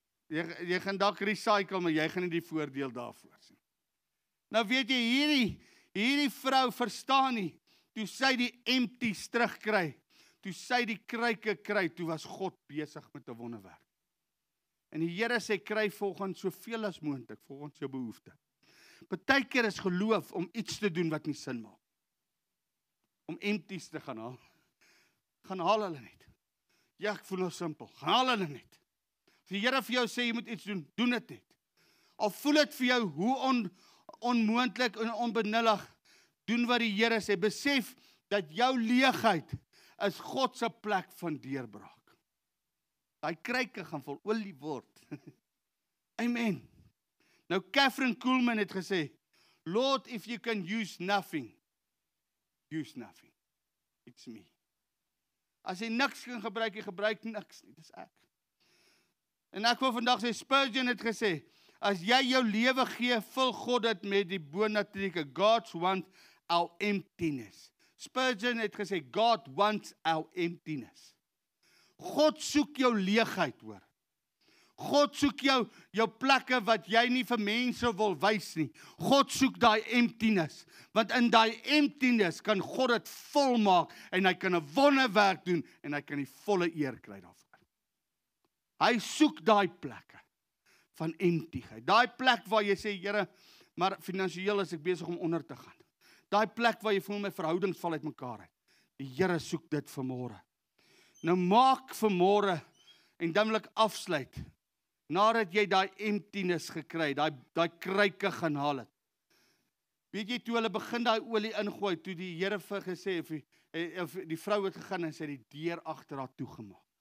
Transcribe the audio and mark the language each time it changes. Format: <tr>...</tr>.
<af>Jy gaan dalk recycle, maar jy gaan nie die voordeel daarvoor sien. Nou weet jy, hierdie vrou verstaan nie, toe sy die empties terugkry, toe sy die kruike kry, toe was God besig met 'n wonderwerk. En die Here sê, kry volgens soveel as moontlik, volgens jou behoefte. Partykeer is geloof om iets te doen wat nie sin maak. Om empties te gaan haal. Gaan haal hulle net. Ja, ek voel nou simpel. Gaan haal hulle net. As die Here vir jou sê jy moet iets doen, doen dit net. Al voel dit vir jou hoe onmoontlik en onbenullig, doen wat die Here sê. Besef dat jou leegheid is God se plek van deurbraak. Daai kruike gaan vol olie word. Amen. Nou Catherine Kuhlman het gesê,</af> <en>Lord, if you can use nothing, use nothing. It's me.</en> <af>As jy niks kan gebruik, jy gebruik niks nie, dis ek. En ek wil vandag sê, Spurgeon het gesê, as jy jou lewe gee, vul God dit met die bonatrieke.</af> <en>God wants our emptiness.</en> <af>Spurgeon het gesê,</af> <en>God wants our emptiness.</en> <af>God soek jou leegheid, hoor. God soek jou plekke wat jy nie vir mense wil wys nie. God soek daai emptiness. Want in daai emptiness kan God dit volmaak en hy kan 'n wonderwerk doen en hy kan die volle eer kry daarvoor. Hy soek daai plekke van emptiheid. Daai plek waar jy sê, Here, maar finansieel is ek besig om onder te gaan. Daai plek waar jy voel my verhoudings val uit mekaar uit. Die Here soek dit vanmôre. Nou maak vanmôre en dadelik afsluit. Nadat jy daai emptiness gekry, daai kruike gaan haal het. Weet jy toe hulle begin daai olie ingooi, toe die Here vir gesê of die vrou het gegaan en sy die deur agter haar toegemaak.</af>